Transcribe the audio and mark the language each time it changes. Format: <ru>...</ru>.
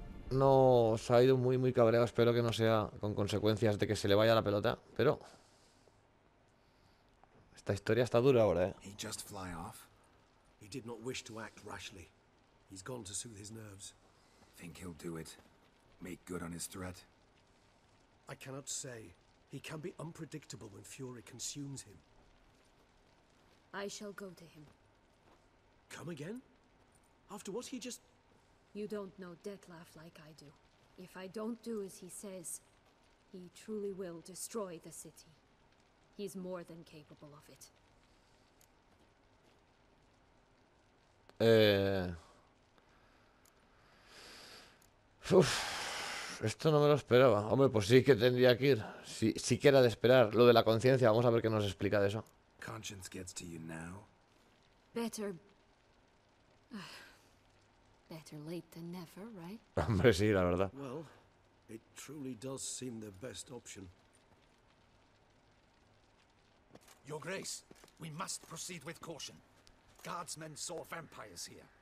<es>No, se ha ido muy, muy cabreado. Espero que no sea con consecuencias de que se le vaya la pelota. Pero... Esta historia está dura ahora, ¿eh?</es> <en>He just fly off. He did not wish to act rashly. He's gone to soothe his nerves. Think he'll do it. Make good on his threat. I cannot say. He can be unpredictable when fury consumes him. I shall go to him. Come again? After what he just... You don't know Detlaf like I do. If I don't do as he says, he truly will destroy the city. He's more than capable of it.</en> <es>Uf, esto no me lo esperaba. Hombre, pues sí que tendría que ir. Si quiera de esperar lo de la conciencia, vamos a ver qué nos explica de eso.</es> <en>Conscience gets to you now. Better. Better late than never, right?</en> <es>Hombre, sí, la verdad.</es> <en>Well, it truly does seem the best option. Your Grace, we must proceed with caution. Guardsmen saw vampires here.</en>